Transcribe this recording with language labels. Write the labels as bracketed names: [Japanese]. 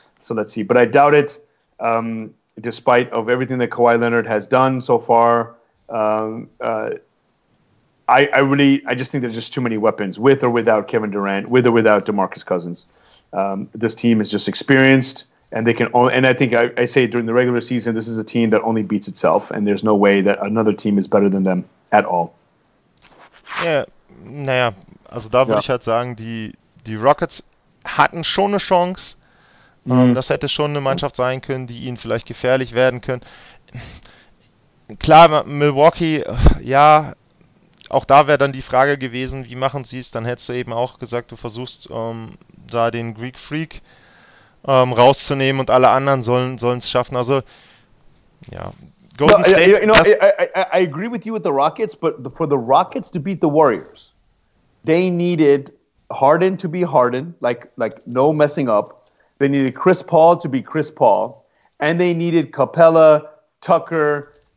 [English] So let's see. But I doubt it. Despite of everything that Kawhi Leonard has done so far, I just think there's just too many weapons, with or without Kevin Durant, with or without DeMarcus Cousins. This team is just experienced, and they can only, and I think I say during the regular season, this is a team that only beats itself, and there's no way that another team is better than them at all. [German] Yeah, naja, also da würde ich halt sagen, die Rockets hatten schon eine Chance. Das hätte schon eine Mannschaft sein können, die ihnen vielleicht gefährlich werden können. Klar, Milwaukee, ja, auch da wäre dann die Frage gewesen, wie machen sie es? Dann hättest du eben auch gesagt, du versuchst da den Greek Freak rauszunehmen und alle anderen sollen es schaffen. Also, ja. Golden State. [English] I agree with you with the Rockets, but for the Rockets to beat the Warriors, they needed Harden to be Harden, like no messing up. They needed Chris Paul to be Chris Paul, and they needed Capella, Tucker.